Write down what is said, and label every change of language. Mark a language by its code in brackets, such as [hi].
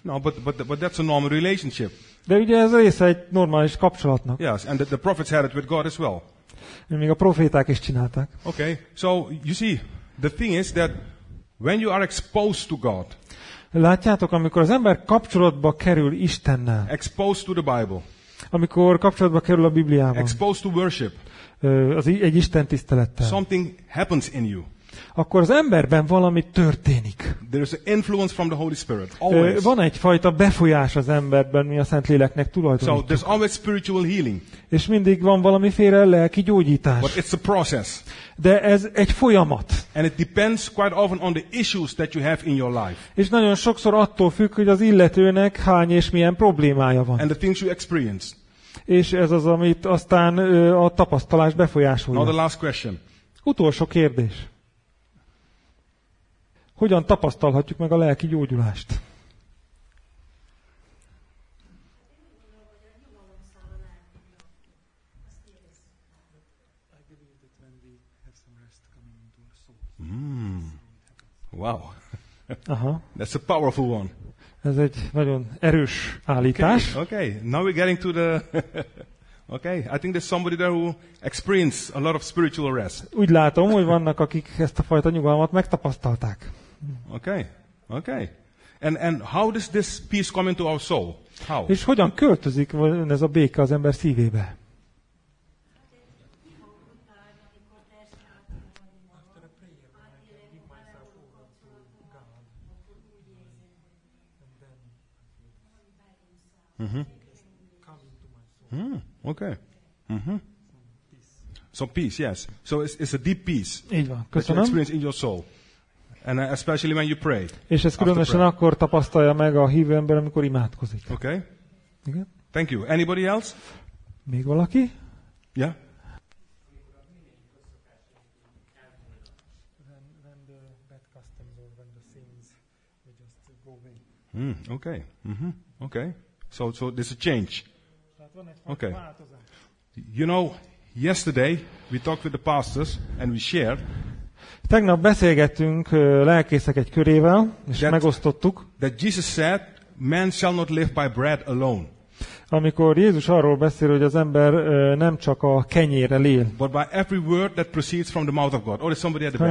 [en] No, but that's a normal relationship. [hu] De ugye ez része egy normális kapcsolatnak. [en] Yes, and the prophets had it with God as well. [hu] Még a proféták is csinálták. [en] Okay, so you see, the thing is that when you are exposed to God. [hu] Látjátok, amikor az ember kapcsolatba kerül Istennel. [en] Exposed to the Bible. [hu] Amikor kapcsolatba kerül a Bibliában. [en] Exposed to worship. [hu] Az egy Isten tisztelettel. [en] Something happens in you. [hu] Akkor az emberben valami történik. [en] There is an influence from the Holy Spirit. Always. [hu] Van egyfajta befolyás az emberben, mi a Szentléleknek tulajdonítjuk. [en] So there's always spiritual healing. [hu] És mindig van valamiféle lelki gyógyítás. [en] But it's a process. [hu] De ez egy folyamat. [en] And it depends quite often on the issues that you have in your life. [hu] És nagyon sokszor attól függ, hogy az illetőnek hány és milyen problémája van. [en] And the things you experience. [hu] És ez az, amit aztán a tapasztalás befolyásolja. [en] Now the last question. [hu] Utolsó kérdés. Hogyan tapasztalhatjuk meg a lelki gyógyulást? [en] Wow. Aha. That's a powerful one. [hu] Ez egy nagyon erős állítás. [en] Okay. Now we're getting to the Okay, I think there's somebody there who experienced a lot of spiritual rest. [hu] Úgy látom, hogy vannak, akik ezt a fajta nyugalmat megtapasztalták. [en] Okay. Okay. And how does this peace come into our soul? How? [hu] És hogyan költözik ez a béke az ember szívébe? [en] Mm-hmm. Mm, okay. Mm-hmm. Some peace, yes. So it's a deep peace. [hu] Így van. Köszönöm. [en] That you experience in your soul, and especially when you pray. [hu] És ezt különösen akkor tapasztalja meg a hívő ember, amikor imádkozik. [en] Okay. [hu] Igen. [en] Thank you. Anybody else? [hu] Még valaki? [en] Yeah. When the bad customs or when the sins, they just go away. Okay. Mm-hmm. Okay. So there's a change. Okay. You know, yesterday we talked with the pastors and we shared. [hu] Tegnap beszélgettünk lelkészek egy körével, és that, megosztottuk. [en] That Jesus said, man shall not live by bread alone. [hu] Amikor Jézus arról beszél, hogy az ember nem csak a kenyérrel él. [en] But by every word that proceeds from the mouth of God. Or is somebody at the back?